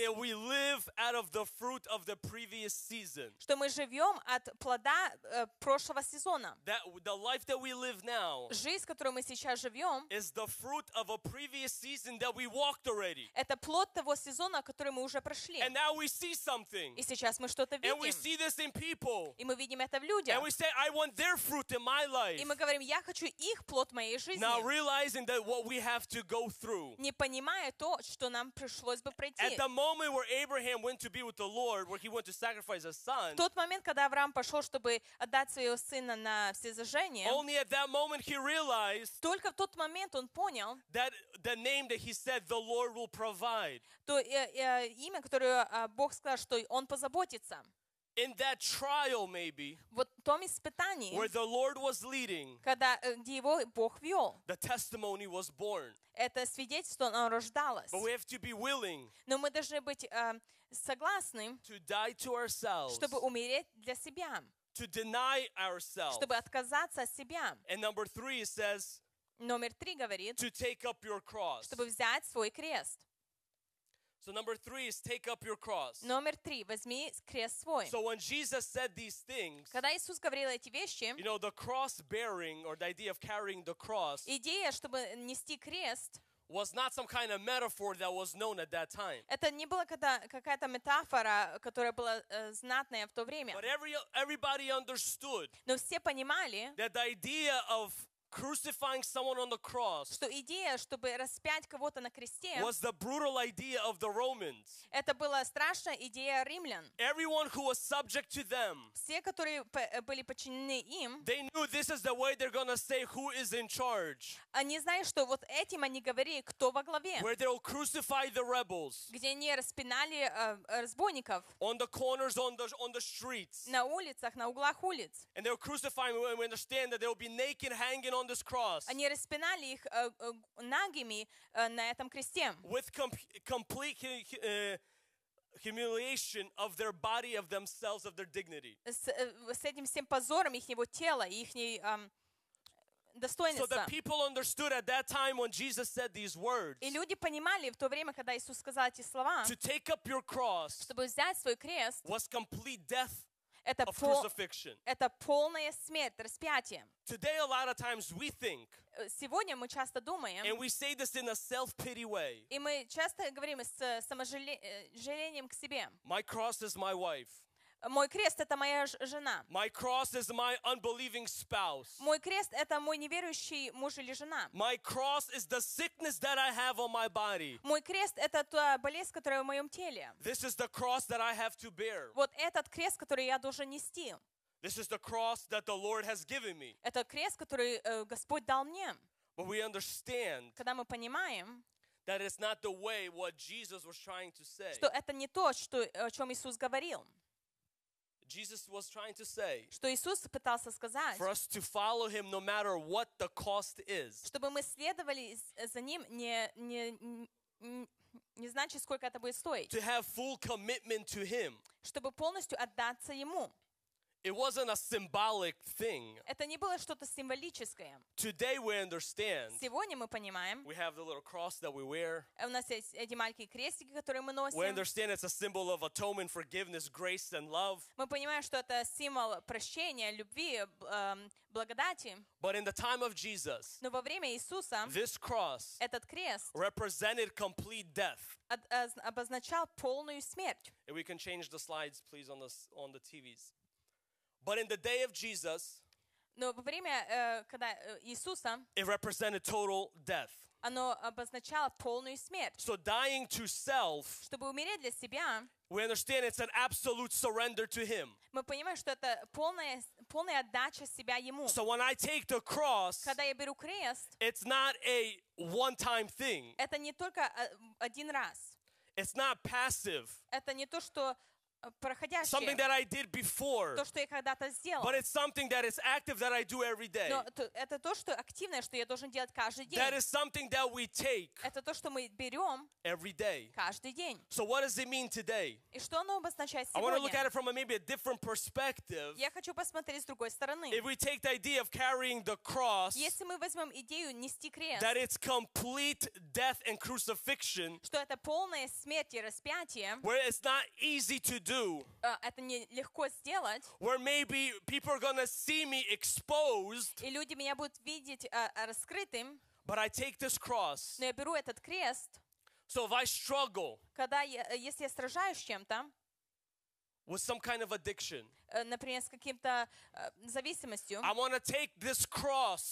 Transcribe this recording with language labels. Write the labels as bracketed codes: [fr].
[en] That we live out of the fruit of the previous season. [ru] Что мы живем от плода прошлого сезона. [en] That the life that we live now. [ru] Жизнь, которую мы сейчас живем. [en] Is the fruit of a previous season that we walked already. [ru] Это плод того сезона, который мы уже [en] And now we see something. [ru] И сейчас мы что-то видим. [en] And we see this in people. [ru] И мы видим это в людях. [en] And we say, I want their fruit in my life. [ru] И мы говорим, я хочу их плод моей жизни. [en] Now realizing that what we have to go through. [ru] Не понимая то, что нам пришлось бы пройти. [en] At the moment where Abraham went to be with the Lord, where he went to sacrifice his son. [ru] В тот момент, когда Авраам пошел, чтобы отдать своего сына на всесожжение. [en] Only at that moment he realized. [ru] Только в тот момент он понял. [en] That the name that he said, the Lord will provide. [ru] То имя, которое Бог сказал, что Он позаботится. [en] In that trial, maybe, [ru] вот в том испытании, [en] where the Lord was leading, [ru] когда его Бог вел, [en] the testimony was born. [ru] Это свидетельство, оно рождалось. [en] But we have to be willing, [ru] но мы должны быть согласны, [en] to die to ourselves, [ru] чтобы умереть для себя, [en] to deny ourselves. [ru] Чтобы отказаться от себя. [en] And number three, it says, [ru] номер три говорит, [en] to take up your cross, [ru] чтобы взять свой крест. [en] So number three is take up your cross. [ru] Номер три, возьми крест свой. [en] So when Jesus said these things, [ru] когда Иисус говорил эти вещи, [en] you know, the cross bearing or the idea of carrying the cross, [ru] идея, чтобы нести крест, [en] was not some kind of metaphor that was known at that time. [ru] Это не была какая-то метафора, которая была знатная в то время. [en] But everybody understood. [ru] Но все понимали [en] that the idea of crucifying someone on the cross. [ru] Что идея, чтобы распять кого-то на кресте? [en] Was the brutal idea of the Romans. [ru] Это была страшная идея римлян. [en] Everyone who was subject to them. [ru] Все, которые были подчинены им. [en] They knew this is the way they're gonna say who is in charge. [ru] Они знали, что вот этим они говорили, кто во главе. [en] Where they'll crucify the rebels. [ru] Где они распинали разбойников. [en] On the corners, on the streets. [ru] На улицах, на углах улиц. [en] And they'll crucify them, and we understand that they'll be naked hanging on this cross. [ru] Они распинали их нагими на этом кресте. [en] With complete humiliation of their body, of themselves, of their dignity. [ru] С этим всем позором их тела, их достоинства. [en] So the people understood at that time when Jesus said these words. [ru] И люди понимали в то время, когда Иисус сказал эти слова. [en] To take up your cross. [ru] Чтобы взять свой крест. [en] Was complete death. Of crucifixion. [ru] Это полная смерть, распятие. [en] Today, a lot of times we think. [ru] Сегодня мы часто думаем. [en] And we say this in a self-pity way. [ru] И мы часто говорим с саможалением к себе. [en] My cross is my wife. [ru] Мой крест это моя жена. [en] My cross is my unbelieving spouse. [ru] Мой крест это мой неверующий муж или жена. [en] My cross is the sickness that I have on my body. [ru] Мой крест это та болезнь, которая в моем теле. [en] This is the cross that I have to bear. [ru] Вот этот крест, который я должен нести. [en] This is the cross that the Lord has given me. [ru] Это крест, который Господь дал мне. [en] But we understand. [ru] Когда мы понимаем. [en] That it's not the way what Jesus was trying to say. [ru] Что это не то, что о чем Иисус говорил. [en] Jesus was trying to say. [ru] Что Иисус пытался сказать. [en] For us to follow him no matter what the cost is. [ru] Чтобы мы следовали за ним не значит сколько это будет стоить. [en] To have full commitment to him. [ru] Чтобы полностью отдаться ему. [en] It wasn't a symbolic thing. [ru] Это не было что-то символическое. [en] Today we understand. [ru] Сегодня мы понимаем. [en] We have the little cross that we wear. [ru] У нас есть эти маленькие крестики, которые мы носим. [en] We understand it's a symbol of atonement, forgiveness, grace, and love. [ru] Мы понимаем, что это символ прощения, любви, благодати. [en] But in the time of Jesus. [ru] Но во время Иисуса. [en] This cross. [ru] Этот крест. [en] Represented complete death. [ru] Обозначал полную смерть. [en] And we can change the slides, please, on the TVs. But in the day of Jesus, [ru] Но во время, когда Иисуса, [en] it represented total death. [ru] оно обозначало полную смерть. [en] So dying to self, [ru] чтобы умереть для себя, [en] we understand it's an absolute surrender to Him. [ru] Мы понимаем, что это полная отдача себя Ему. [en] So when I take the cross, [ru] когда я беру крест, [en] it's not a one-time thing. [ru] Это не только один раз. [en] It's not passive. [ru] Это не то, что проходящее. [en] Something that I did before. [ru] То, что я когда-то сделал. [en] But it's something that is active that I do every day. [ru] Но это то, что активное, что я должен делать каждый день. [en] That is something that we take. [ru] Это то, что мы берем. [en] Every day. [ru] Каждый день. [en] So what does it mean today? [ru] И что оно обозначает сегодня? [en] I want to look at it from maybe a different perspective. [ru] Я хочу посмотреть с другой стороны. [en] If we take the idea of carrying the cross. [ru] Если мы возьмем идею нести крест. [en] That it's complete death and crucifixion. [ru] Что это полная смерть и распятие. [en] Where it's not easy to do. [ru] Это не легко сделать. [en] Where maybe people are gonna see me exposed. [ru] И люди меня будут видеть раскрытым. [en] But I take this cross. [ru] Но я беру этот крест. [en] So if I struggle. [ru] Когда если я сражаюсь с чем-то. [en] With some kind of addiction. [ru] Например, с каким-то зависимостью. [en] I want to take this cross.